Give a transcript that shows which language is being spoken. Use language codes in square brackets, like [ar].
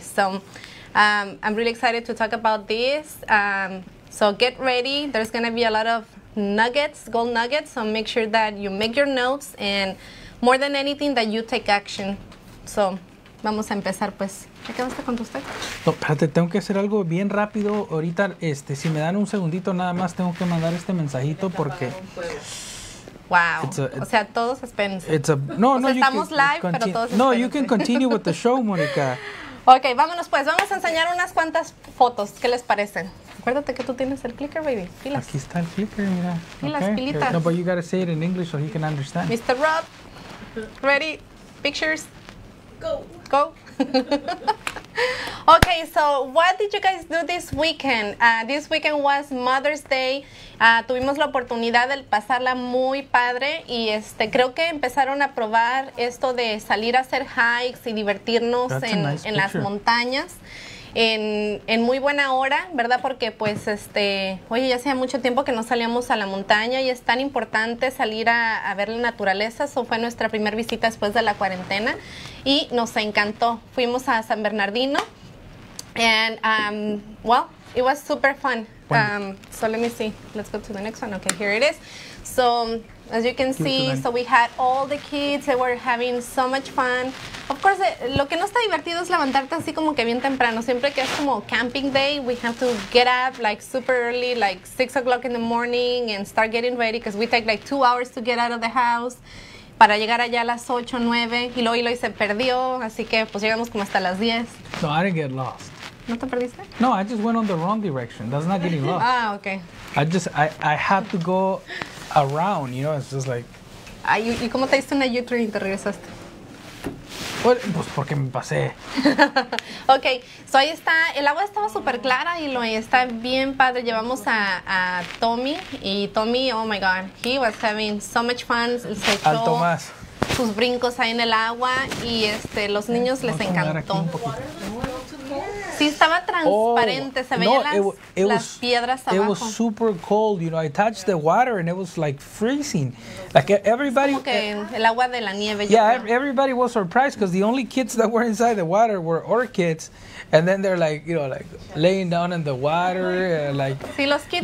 [en] So I'm really excited to talk about this. So get ready. There's going to be a lot of nuggets, gold nuggets. So make sure that you make your notes and more than anything that you take action. [es] So vamos a empezar, pues. ¿Qué acabaste con tu stack? No, espérate, tengo que hacer algo bien rápido. Ahorita, si me dan un segundito nada más, tengo que mandar este mensajito porque... [en] You can continue with the show, Monica. [es] Okay, vámonos pues. Vamos a enseñar unas cuantas fotos. ¿Qué les parecen? Acuérdate que tú tienes el clicker, baby. Pilas. Aquí está el clicker, mira. Pilas, okay. Pilitas. [en] No, but you gotta say it in English so he can understand. Mr. Rob, ready? Pictures? Go. Okay, so what did you guys do this weekend? This weekend was Mother's Day. [es] Tuvimos la oportunidad de pasarla muy padre y creo que empezaron a probar esto de salir a hacer hikes y divertirnos en las montañas en muy buena hora, ¿verdad? Porque pues oye, ya hacía mucho tiempo que no salíamos a la montaña y es tan importante salir a ver la naturaleza. Eso fue nuestra primera visita después de la cuarentena y nos encantó. Fuimos a San Bernardino [en] and it was super fun. So let me see. Let's go to the next one. Okay, here it is. So as you can see, so we had all the kids. They were having so much fun. Of course, [es] lo que no está divertido es levantarte así como que bien temprano. Siempre que es como [en] camping day, we have to get up like super early, like 6 o'clock in the morning and start getting ready because we take like 2 hours to get out of the house. [es] Para llegar allá a las 8 o 9 y luego Eloy se perdió. Así que pues llegamos como hasta las 10. [en] So I didn't get lost. [es] ¿No te perdiste? [en] No, I just went on the wrong direction. That's not getting lost. Ah, okay. I had to go around, you know, it's just like... [es] ¿Y cómo te diste una U-turn y te regresaste? Pues porque me pasé. Okay, so ahí está. El agua estaba súper clara y está bien padre. Llevamos a Tommy y Tommy, [en] oh my God, he was having so much fun. [es] Se echó al Tomás sus brincos ahí en el agua y los niños les encantó. Sí, estaba transparente, se veían las piedras abajo. [en] It was super cold, you know, I touched the water and it was like freezing. Like everybody... [es] Como que el agua de la nieve. [en] Yeah, everybody was surprised because the only kids that were inside the water were our kids. And then they're like, you know, like laying down in the water, like... [es] Sí, los kids,